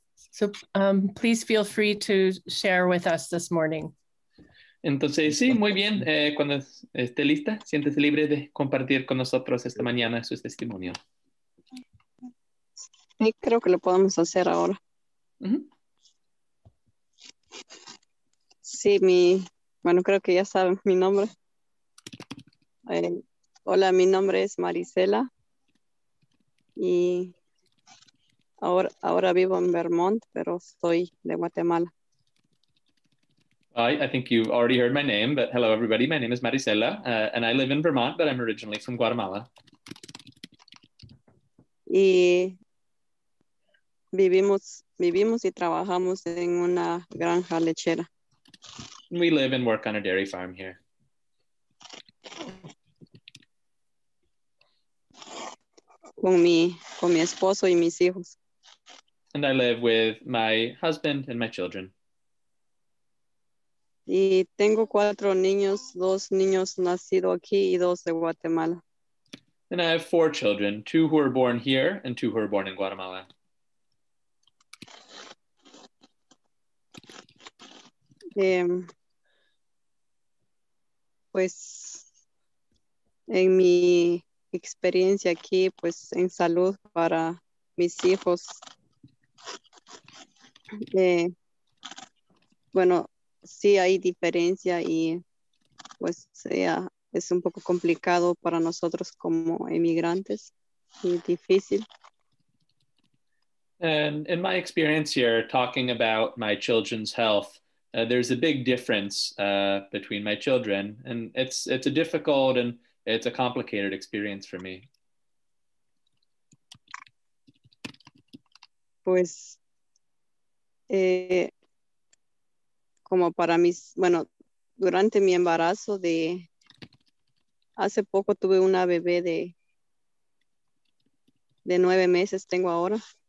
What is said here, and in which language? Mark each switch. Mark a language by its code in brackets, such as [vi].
[en] So please feel free to share with us this morning. [es] Entonces, sí, muy bien. Cuando esté lista, siéntese libre de compartir con nosotros esta mañana su testimonio. Sí, creo que lo podemos hacer ahora. Sí, creo que ya saben mi nombre. Hola, mi nombre es Marisela. Y ahora vivo en Vermont, pero soy de Guatemala. [en] I think you've already heard my name, but hello, everybody. My name is Marisela, and I live in Vermont, but I'm originally from Guatemala. [es] Y vivimos y trabajamos en una granja lechera. [en] We live and work on a dairy farm here. [es] con mi esposo y mis hijos. [en] And I live with my husband and my children. [es] Y tengo cuatro niños, dos niños nacidos aquí y dos de Guatemala. [en] And I have four children, two who are born here and two who are born in Guatemala. [es] Pues en mi experiencia aquí, pues en salud para mis hijos. Bueno, sí hay diferencia y pues sea, es un poco complicado para nosotros como emigrantes y difícil. [en] And in my experience here, talking about my children's health, there's a big difference between my children, and it's a difficult and it's a complicated experience for me. [es] Pues, como para mis, bueno, durante mi embarazo de, hace poco tuve una bebé de 9 meses, tengo ahora.